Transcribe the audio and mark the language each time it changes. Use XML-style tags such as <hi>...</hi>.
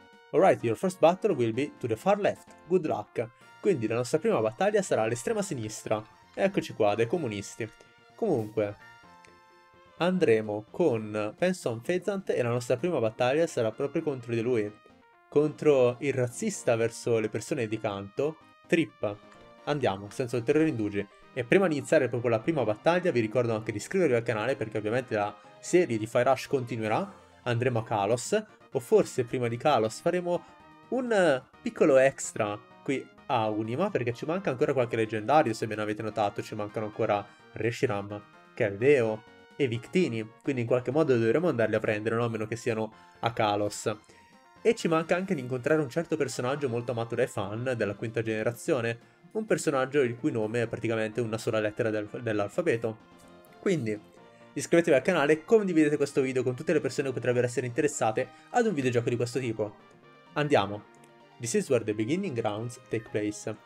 <en>Alright, your first battle will be to the far left. Good luck!</en> <it>Quindi la nostra prima battaglia sarà all'estrema sinistra. Eccoci qua, dai comunisti. Comunque, andremo con, penso, Amphezant e la nostra prima battaglia sarà proprio contro di lui. Contro il razzista verso le persone di canto, Trip. Andiamo, senza ulteriori indugi. E prima di iniziare proprio la prima battaglia, vi ricordo anche di iscrivervi al canale perché ovviamente la serie di Fire Ash continuerà. Andremo a Kalos. O forse prima di Kalos faremo un piccolo extra qui a Unima perché ci manca ancora qualche leggendario, se ben avete notato. Ci mancano ancora Reshiram, Keldeo e Victini. Quindi in qualche modo dovremo andarli a prendere, no? A meno che siano a Kalos. E ci manca anche di incontrare un certo personaggio molto amato dai fan della quinta generazione. Un personaggio il cui nome è praticamente una sola lettera dell'alfabeto. Quindi, iscrivetevi al canale e condividete questo video con tutte le persone che potrebbero essere interessate ad un videogioco di questo tipo. Andiamo.</it> <en>This is where the beginning grounds take place.</en>